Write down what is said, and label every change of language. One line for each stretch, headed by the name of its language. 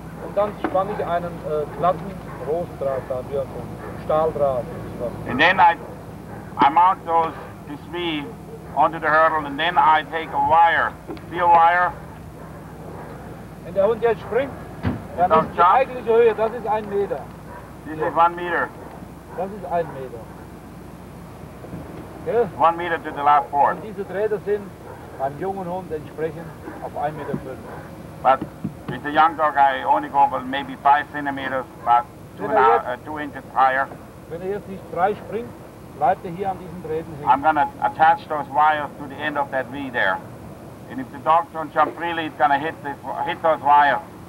German: Und dann spanne ich einen glatten Rosendraht da, wie so ein Stahldraht.
English: And then I mount those, this V, onto the hurdle and then I take a wire, steel wire.
German: Wenn der Hund jetzt springt, dann ist die eigentliche Höhe, das ist 1 Meter.
English: This is 1 meter.
German: Das ist 1 Meter.
English: Okay. 1 meter to the last port.
German: Und diese Drähte sind beim jungen Hund entsprechend auf 1,5 Meter.
English: But with the young dog I only go for maybe 5 centimeters, but 2 inches higher.
German: Wenn jetzt nicht frei springt, bleibt hier an diesen Drähten hängen.
English: I'm going to attach those wires to the end of that V there. And if the dog don't jump freely, it's going to hit those wires.